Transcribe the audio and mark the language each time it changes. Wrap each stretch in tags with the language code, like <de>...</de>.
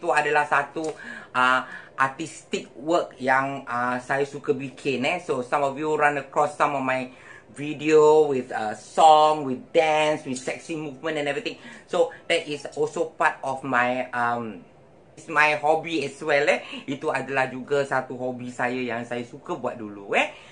<ms>Itu adalah satu artistic work yang saya suka bikin, eh.</ms> <en>So, some of you run across some of my video with song, with dance, with sexy movement and everything. So, that is also part of my it's my hobby as well, eh.</en> <ms>Itu adalah juga satu hobi saya yang saya suka buat dulu, eh.</ms>